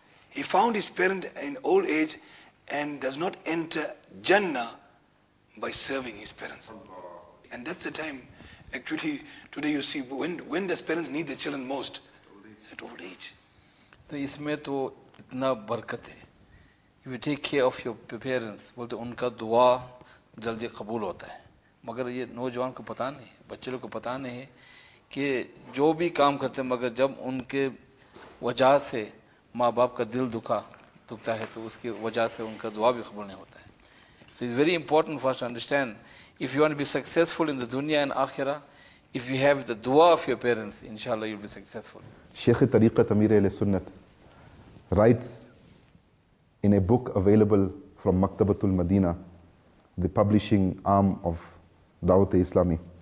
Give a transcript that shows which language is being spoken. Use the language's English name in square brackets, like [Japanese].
[English] He found his parent in old age and does not enter Jannah by serving his parents. And that's the time, actually, today you see, when does parents need the children most? At old age. So this is na barakat. If you take care of your parents, [Hindi] बोलते उनका दुआ जल्दी कबूल होता है. मगर ये नौजवान को पता नहीं, बच्चे लोग को पता नहीं है कि जो भी काम करते हैं, मगर जब उनके वजह से माँबाप का दिल दुखता है, तो उसके वजह से उनका दुआ भी कबूल नहीं होता है. [English] So it's very important for us to understand, if you want to be successful in the dunya and akhira, if you have the dua of your parents, inshallah you'll be successful. Sheikh Tariqat Amir al-Sunnat writes in a book available from Maktabatul Madina, the publishing arm of Dawat-e-Islami.